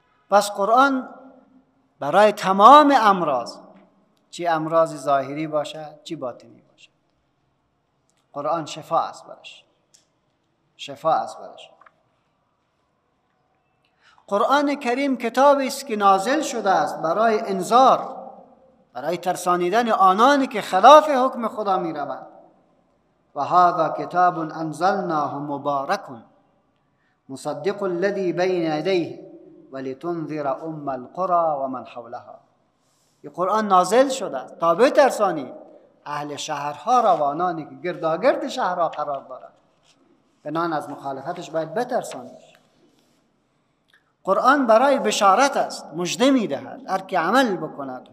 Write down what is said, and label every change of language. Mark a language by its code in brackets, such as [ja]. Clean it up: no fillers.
[fa] پس قرآن برای تمام امراض، چی امراض ظاهری باشد چی باطنی باشد، قرآن شفا است برش، شفا است برش. قرآن کریم کتابی است که نازل شده است برای انذار، برای ترسانیدن آنانی که خلاف حکم خدا می روند. [ar] و هذا کتاب انزلناه مبارک مصدق الذی بین یدیه ولتنذر ام القرى ومن حولها. [fa] این قرآن نازل شده است تا بترسانی اهل شهرها را و آنانی که گرداگرد شهرها قرار دارند، بنان از مخالفتش باید بترسانی. قرآن برای بشارت است، مژده می دهد هر که عمل بکند.